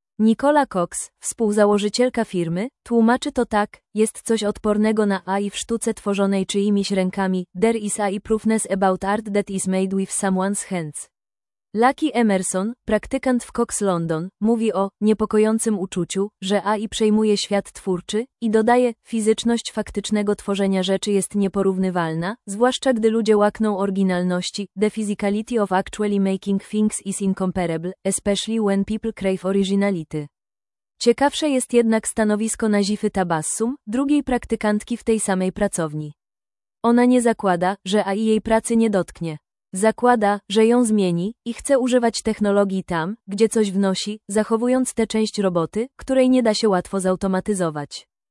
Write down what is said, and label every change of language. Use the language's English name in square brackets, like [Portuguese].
[Polish] Nicola Cox, współzałożycielka firmy, tłumaczy to tak: jest coś odpornego na AI w sztuce tworzonej czyimiś rękami, [English] there is AI proofness about art that is made with someone's hands. [Polish] Lucky Emerson, praktykant w Cox London, mówi o niepokojącym uczuciu, że AI przejmuje świat twórczy, i dodaje: fizyczność faktycznego tworzenia rzeczy jest nieporównywalna, zwłaszcza gdy ludzie łakną oryginalności. [English] The physicality of actually making things is incomparable, especially when people crave originality. [Polish] Ciekawsze jest jednak stanowisko Nazify Tabassum, drugiej praktykantki w tej samej pracowni. Ona nie zakłada, że AI jej pracy nie dotknie. Zakłada, że ją zmieni i chce używać technologii tam, gdzie coś wnosi, zachowując tę część roboty, której nie da się łatwo zautomatyzować.